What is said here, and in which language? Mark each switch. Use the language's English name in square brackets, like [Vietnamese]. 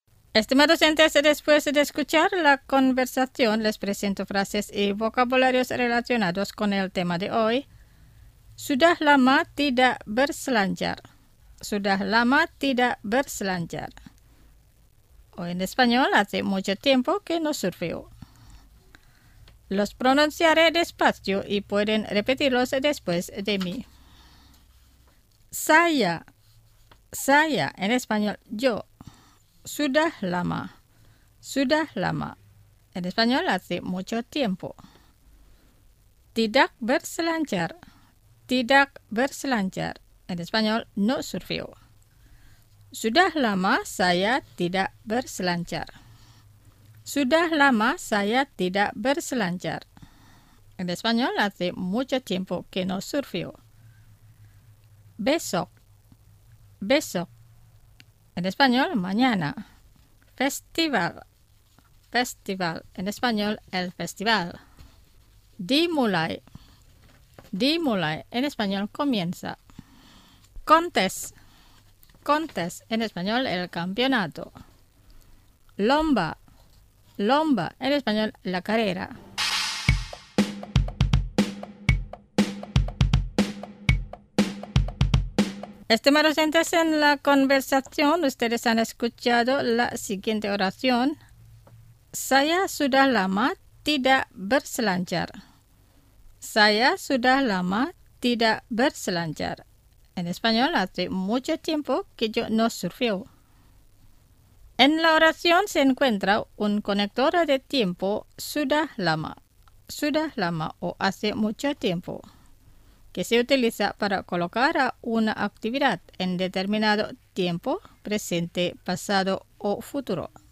[Spanish] Estimados oyentes, después de escuchar la conversación, les presento frases y vocabularios relacionados con el tema de hoy. [Indonesian] Sudah lama tidak berselancar. Sudah lama tidak berselancar. [Spanish] O en español, hace mucho tiempo que no surfeo. Los pronunciaré despacio y pueden repetirlos después de mí. Saya. Saya, en español, yo. [Indonesian] Sudah lama. Sudah lama. [Spanish] En español hace mucho tiempo. [Indonesian] Tidak berselancar. Tidak berselancar. [Spanish] En español no surfeo. [Indonesian] Sudah lama saya tidak berselancar. Sudah lama saya tidak berselancar. [Spanish] En español hace mucho tiempo que no surfeo. [Indonesian] Besok. Besok. [Spanish] En español mañana. Festival. Festival. En español, el festival. [Indonesian] Dimulai. Dimulai. [Spanish] En español, comienza. Contest. Contest. En español, el campeonato. [Indonesian] Lomba. Lomba. [Spanish] En español, la carrera. Estimados oyentes, en la conversación ustedes han escuchado la siguiente oración. [Indonesian] Saya sudah lama tidak berselancar. Saya sudah lama tidak berselancar. [Spanish] En español, hace mucho tiempo que yo no surfeo. En la oración se encuentra un conector de tiempo sudah lama. Sudah lama, o hace mucho tiempo, que se utiliza para colocar a una actividad en determinado tiempo, presente, pasado o futuro.